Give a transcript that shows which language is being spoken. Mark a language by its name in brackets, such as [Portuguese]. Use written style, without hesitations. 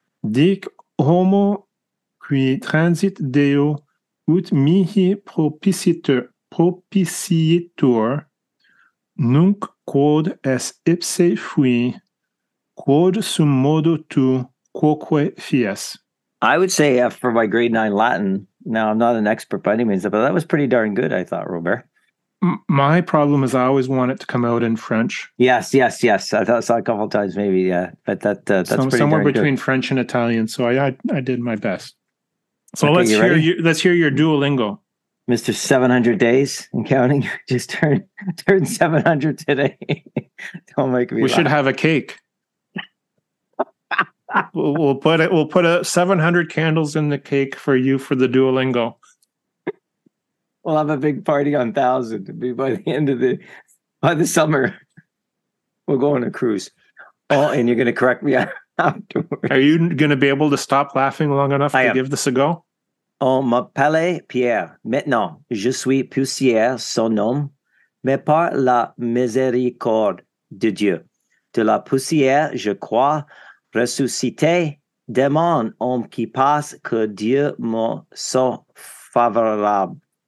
[Latin] Dic homo qui transit Deo ut mihi propitiatur, nunc quod est ipse fui, quod sum modo tu quoque fias. [English] I would say for my grade 9 Latin, now I'm not an expert by any means, but that was pretty darn good, I thought, Robert. My problem is I always want it to come out in French. Yes, yes, yes. I thought so a couple of times maybe, yeah. But that's pretty darn good. Somewhere between French and Italian, so I did my best. So okay, let's hear your Duolingo. Mr. 700 days and counting. Just turned 700 today. Don't make me laugh. Should have a cake. we'll put 700 candles in the cake for you for the Duolingo. We'll have a big party on 1,000 by the end of the summer. We'll go on a cruise. Oh, and you're going to correct me afterwards. Are you going to be able to stop laughing long enough to give this a go? [French] On m'appelle Pierre. Maintenant, je suis poussière sans nom, mais par la miséricorde de Dieu. De la poussière, je crois, ressuscité. Demande, homme qui passe, que Dieu me soit favorable.